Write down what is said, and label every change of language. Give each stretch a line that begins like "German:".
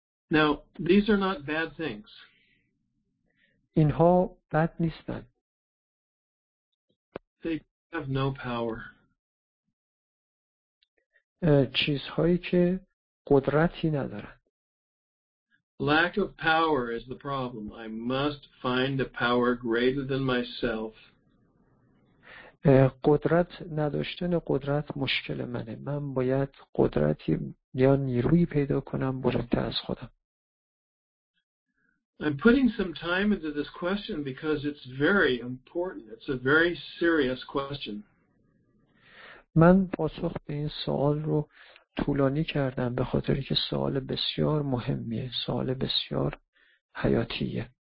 English: Now these are not bad things.
Persian: اینها بد نیستند.
English: They have no power.
Persian: چیزهایی که قدرتی ندارند.
English: Lack of power is the problem. I must find a power greater than myself.
Persian: قدرت نداشتن قدرت مشکل منه. من باید قدرتی یا نیروی پیدا کنم بلندتر از خودم.
English: I'm putting some time into this question because it's very important. It's a very serious question.
Persian: من پاسخ به این سوال رو طولانی کردم به خاطر اینکه سوال بسیار مهمیه، سوال بسیار حیاتیه.